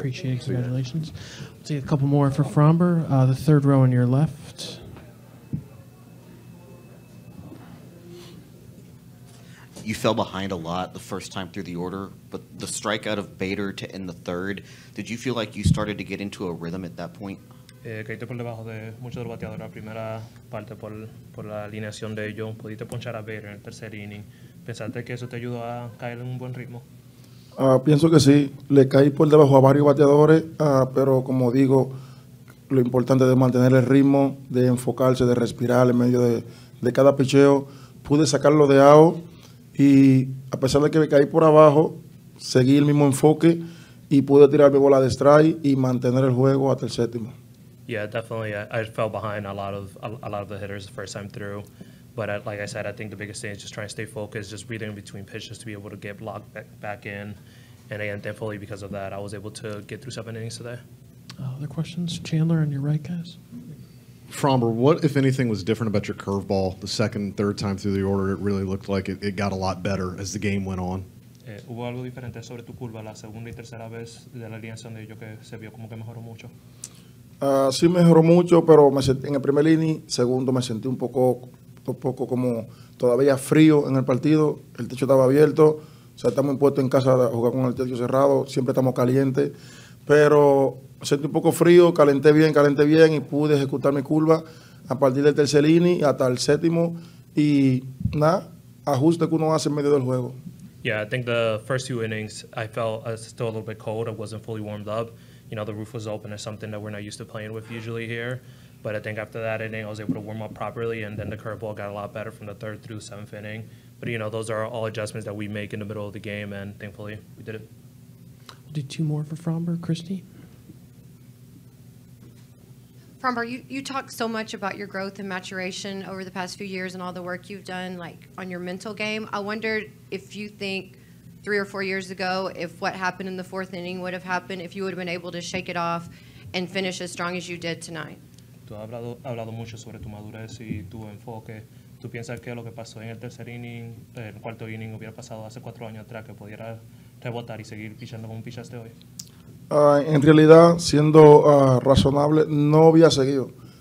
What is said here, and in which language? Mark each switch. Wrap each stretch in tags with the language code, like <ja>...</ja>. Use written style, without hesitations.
<en>Congratulations. We'll take a couple more for Framber. The third row on your left. You fell behind a lot the first time through the order, but the strikeout of Bader to end the third, did you feel like you started to get into a rhythm at that point?</en> <es>Caíste por debajo de muchos bateadores la primera parte por la alineación de ellos. Pudiste ponchar a Bader en el tercer inning. ¿Pensaste que eso te ayudó a caer en un buen ritmo? Pienso que sí, le caí por debajo a varios bateadores, pero como digo, lo importante es mantener el ritmo, de enfocarse, de respirar en medio de cada picheo. Pude sacarlo de AO y a pesar de que me caí por abajo, seguí el mismo enfoque y pude tirar mi bola de strike y mantener el juego hasta el séptimo.</es> <en>Yeah, definitely. I fell behind a lot of the hitters the first time through. But like I said, I think the biggest thing is just trying to stay focused, just breathing in between pitches to be able to get blocked back in. And again, thankfully, because of that, I was able to get through 7 innings today. Other questions? Chandler, on your right, guys. Framber, what, if anything, was different about your curveball the second, third time through the order? It really looked like it got a lot better as the game went on.</en> <es>Hubo algo diferente sobre tu curva la segunda y tercera vez de la alineación de ellos que se vio como que mejoró mucho. Sí mejoró mucho, pero en el primer inning, segundo me sentí un poco como todavía frío en el partido, el techo estaba abierto, o sea, estamos impuestos en casa a jugar con el techo cerrado, siempre estamos calientes, pero sentí un poco frío, calenté bien y pude ejecutar mi curva a partir del tercer inning hasta el séptimo y nada, ajuste que uno hace en medio del juego.</es> <en>Yeah, I think the first few innings I felt still a little bit cold, I wasn't fully warmed up, you know, the roof was open, is something that we're not used to playing with usually here. But I think after that inning, I was able to warm up properly, and then the curveball got a lot better from the third through seventh inning. But, you know, those are all adjustments that we make in the middle of the game, and thankfully we did it. We'll do two more for Framber. Christy? Framber, you talk so much about your growth and maturation over the past few years and all the work you've done, like, on your mental game. I wondered if you think 3 or 4 years ago, if what happened in the fourth inning would have happened, if you would have been able to shake it off and finish as strong as you did tonight.</en> <es>Tú has hablado mucho sobre tu madurez y tu enfoque. ¿Tú piensas que lo que pasó en el tercer inning, el cuarto inning, hubiera pasado hace 4 años atrás, que pudiera rebotar y seguir pichando como pichaste hoy? En realidad, siendo razonable, no había seguido.</es>